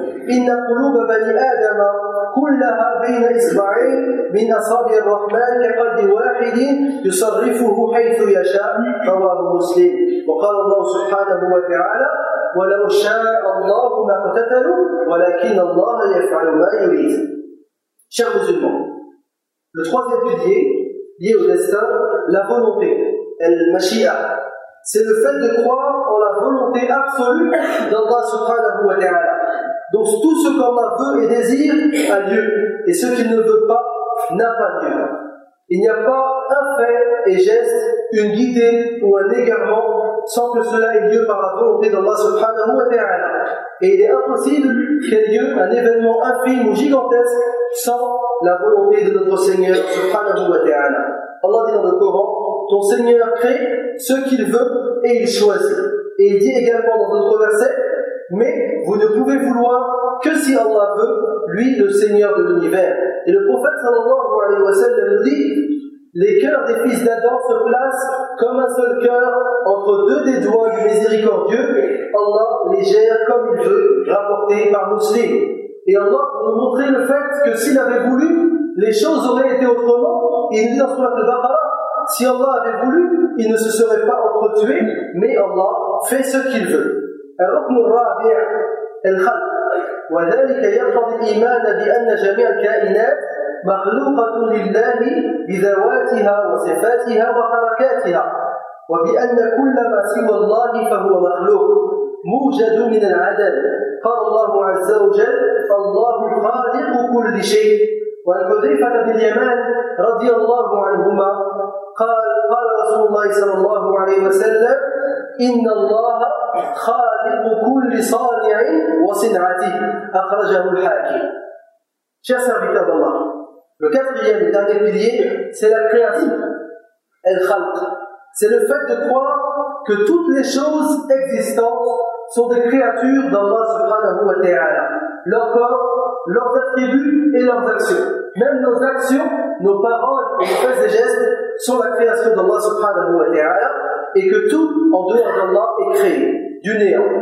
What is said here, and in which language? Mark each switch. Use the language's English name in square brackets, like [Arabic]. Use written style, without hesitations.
[Arabic] إن قلوب بني آدم كلها بين إصبعين من أصابع الرحمن كقلب واحد يصرفه حيث يشاء رواه مسلم وقال الله سبحانه وتعالى ولو شاء الله ما اقتتلوا ولكن الله يفعل ما يريد شيخ مسلم [French] le troisième pilier lié au destin la volonté al-mashia c'est le fait de croire en la volonté absolue d'Allah subhanahu wa ta'ala. Donc tout ce qu'Allah veut et désire a lieu, et ce qu'il ne veut pas n'a pas lieu. Il n'y a pas un fait et geste, une idée ou un égarement sans que cela ait lieu par la volonté d'Allah subhanahu wa ta'ala. Et il est impossible qu'ait lieu un événement infime ou gigantesque sans la volonté de notre Seigneur subhanahu wa ta'ala. Allah dit dans le Coran, ton Seigneur crée ce qu'il veut et il choisit. Et il dit également dans notre verset, mais vous ne pouvez vouloir que si Allah veut, lui le Seigneur de l'univers. Et le prophète sallallahu alayhi wa sallam dit, les cœurs des fils d'Adam se placent comme un seul cœur entre deux des doigts du miséricordieux. Allah les gère comme il veut, rapporté par Muslim. Et Allah nous montrait le fait que s'il avait voulu, les choses auraient été autrement. Il dit dans Sourate Al-Baqarah, si Allah avait voulu, il ne se serait pas entretué, mais Allah fait ce qu'il veut. [Arabic] الركن الرابع الخلق وذلك يقتضي الإيمان بأن جميع الكائنات مخلوقة لله بذواتها وصفاتها وحركاتها وبأن كل ما سوى الله فهو مخلوق موجد من العدل قال الله عز وجل الله خالق كل شيء والحذيفة بن اليمان رضي الله عنهما قال رسول الله صلى الله عليه وسلم إن الله خالق كل صانع وصنعته أخرجه الحاكم. [French] Chers serviteurs d'Allah, le quatrième et dernier pilier, c'est la création. Al-Khalq. C'est le fait de croire que toutes les choses existantes sont des créatures d'Allah subhanahu wa ta'ala. Leur corps, leurs attributs et leurs actions. Même nos actions, nos paroles et nos faits et gestes sont la création d'Allah subhanahu wa ta'ala et que tout en dehors d'Allah est créé. Du néant.